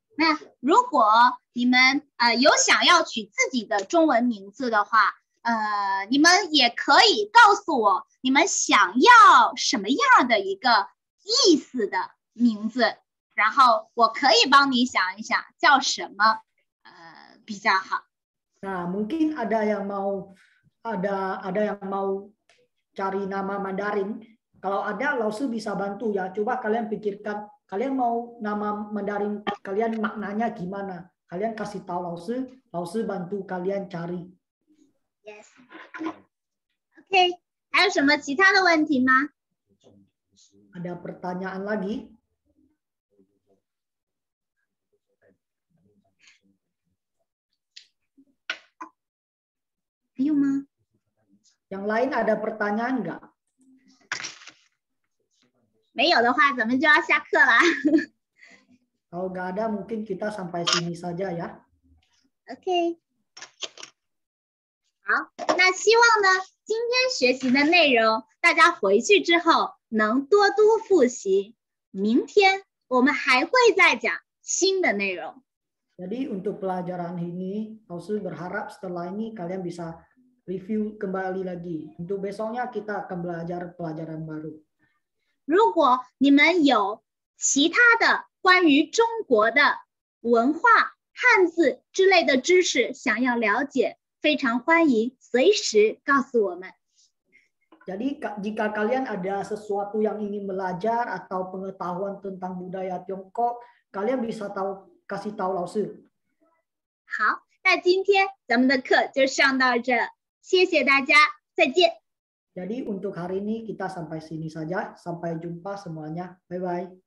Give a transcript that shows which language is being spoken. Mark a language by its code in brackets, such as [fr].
[zh] Nah, 如果你们有想要取自己的中文名字的话，你们也可以告诉我你们想要什么样的一个意思的名字。然后我可以帮你想一想叫什么，比较好。 [id] Nah, mungkin ada yang mau ada yang mau cari nama Mandarin. Kalau ada, Lao Tzu bisa bantu ya. Coba kalian pikirkan, kalian mau nama Mandarin kalian maknanya gimana? Kalian kasih tahu Lao Tzu, Lao Tzu bantu kalian cari. [en] Yes. Okay. [zh] 还有什么其他的问题吗？ [id] Ada pertanyaan lagi? [zh] 还有吗？ [id] Yang lain ada pertanyaan enggak？ [zh] 没有的话，咱们就要下课啦。 [id] Kalau enggak ada, mungkin kita sampai sini saja ya. [en] Okay. [zh] 好，那希望呢，今天学习的内容，大家回去之后能多多复习。明天我们还会再讲新的内容。 [id] Jadi untuk pelajaran ini, Lao Tzu berharap setelah ini kalian bisa review kembali lagi. Untuk besoknya kita akan belajar pelajaran baru. [zh] 如果你们有其他的关于中国的文化、汉字之类的知识想要了解，非常欢迎随时告诉我们。 [id] Jadi jika kalian ada sesuatu yang ingin belajar atau pengetahuan tentang budaya Tiongkok, kalian bisa tahu. Kasih tahu老师。 [zh] 好，那今天咱们的课就上到这，谢谢大家，再见。 [id] Jadi untuk hari ini kita sampai sini saja, sampai jumpa semuanya, bye bye。